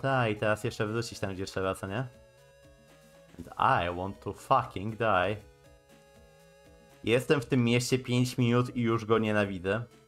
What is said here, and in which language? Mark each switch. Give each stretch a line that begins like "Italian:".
Polish: I teraz jeszcze wrócić tam, gdzie trzeba, co nie?
English: And I want to fucking die.
Polish: Jestem w tym mieście 5 minut i już go nienawidzę.